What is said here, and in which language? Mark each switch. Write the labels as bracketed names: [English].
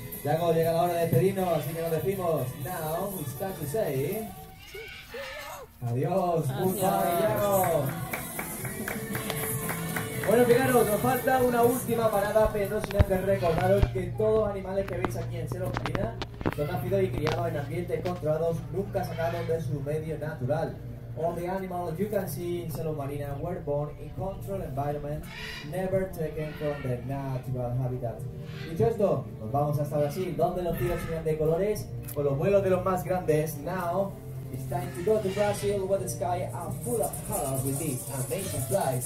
[Spanish] Yago, llega la hora de despedirnos, así que nos despedimos. [English] Now, it's time to say... [Spanish] ¡Adiós! [English] ¡Goodbye, Yago! [Spanish] Bueno, fijaros, nos falta una última parada, pero no sin antes recordaros que todos los animales que veis aquí en Selva Marina son nacidos y criados en ambientes controlados, nunca sacados de su medio natural. [English] All the animals you can see in Selva Marina were born in controlled environment, never taken from their natural habitat. [Spanish] Dicho esto, nos vamos hasta Brasil, donde los tíos serían de colores, con los vuelos de los más grandes. [English] Now, it's time to go to Brazil, where the sky are full of colors with these amazing flies.